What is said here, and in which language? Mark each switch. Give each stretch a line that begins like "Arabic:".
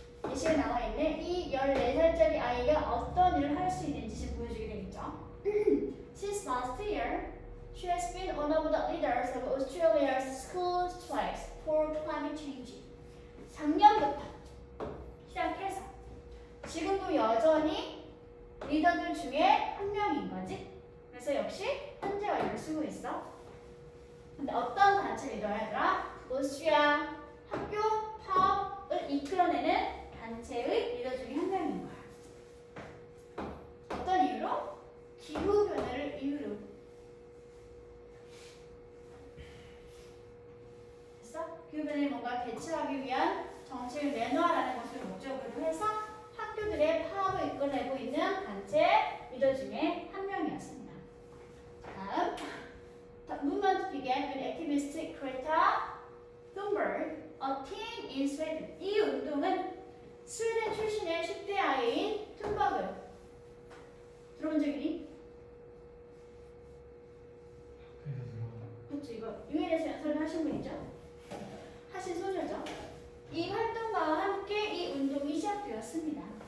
Korean: 예시에 나와 있는 이 14살짜리 아이가 어떤 일을 할 수 있는지 지금 보여주게 되겠죠.
English: Since last year, she has been one of the leaders of Australia's school strikes for climate change.
Korean: 작년부터 시작해서 지금도 여전히 리더들 중에 한 명인 거지. 그래서 역시 현재와 열심히 있어. 근데 어떤 단체 리더야? 오스트리아 학교 파업을 이끌어내는 단체의 리더 중에 한 명인 거야. 어떤 이유로? 기후 변화를 이유로. 됐어? 기후 변화를 뭔가 대처하기 위한 정책을 내놓아라는 것을 목적으로 해서 학교들의 파업을 이끌어내고 있는 단체 리더 중에 한 명이었습니다. 다음.
English: The movement began with activist Greta Thunberg, a teen in Sweden.
Korean: 이 운동은 스웨덴 출신의 10대 아이인 툰버그. 들어본 적 있니? 그렇죠, 이거 유엔에서 연설을 하신 분이죠? 하신 소녀죠? 이 활동가와 함께 이 운동이 시작되었습니다.